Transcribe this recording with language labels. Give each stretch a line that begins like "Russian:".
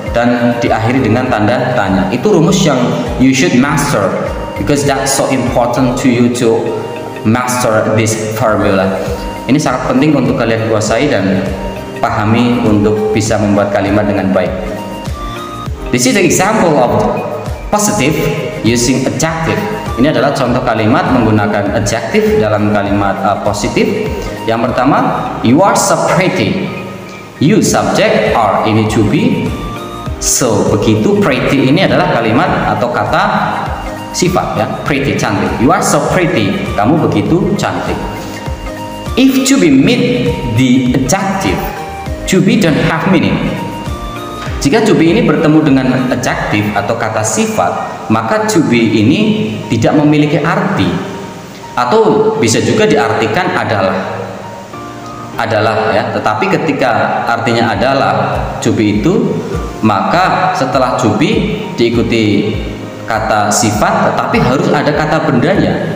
Indonesian: Dan diakhiri dengan tanda tanya. Itu rumus yang
English: you should master because that's so important to you to master this formula.
Indonesian: Ini sangat penting untuk kalian kuasai dan pahami untuk bisa membuat kalimat dengan baik.
English: This is an example of positive using adjective.
Indonesian: Ini adalah contoh kalimat menggunakan adjective dalam kalimat positif. Yang pertama,
English: you are so pretty. You subject are ini to be.
Indonesian: So, begitu pretty ini adalah kalimat atau kata sifat ya, pretty, cantik.
English: You are so pretty,
Indonesian: kamu begitu cantik.
English: If to be meet the adjective, to be don't have meaning.
Indonesian: Jika to be ini bertemu dengan adjective atau kata sifat, maka to be ini tidak memiliki arti. Atau bisa juga diartikan adalah. Adalah ya, tetapi ketika artinya adalah to be itu, maka setelah to be diikuti kata sifat, tetapi harus ada kata bendanya.